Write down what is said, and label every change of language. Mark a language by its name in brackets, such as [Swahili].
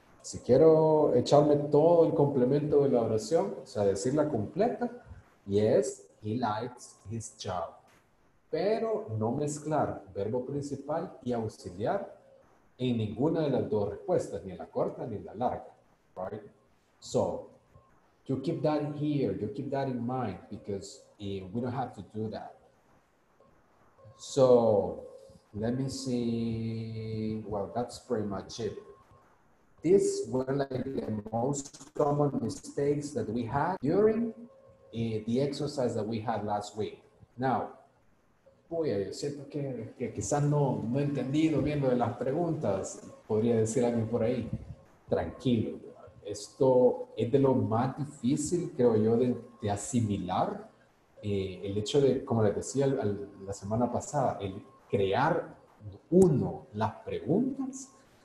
[Spanish] Si quiero echarme todo el complemento de la oración, o sea, decirla completa, [English] yes, he likes his job. [Spanish] Pero no mezclar verbo principal y auxiliar en ninguna de las dos respuestas, ni en la corta ni en la larga, right? [English] So, you keep that here, you keep that in mind, because we don't have to do that. So, let me see, well, that's pretty much it. These were like the most common mistakes that we had during the exercise that we had last week. [Spanish] Now, yo siento que quizás no he entendido bien lo de las preguntas, podría decir alguien por ahí, tranquilo. Esto es de lo más difícil, creo yo, de asimilar el hecho de, como les decía la semana pasada, el crear uno las preguntas.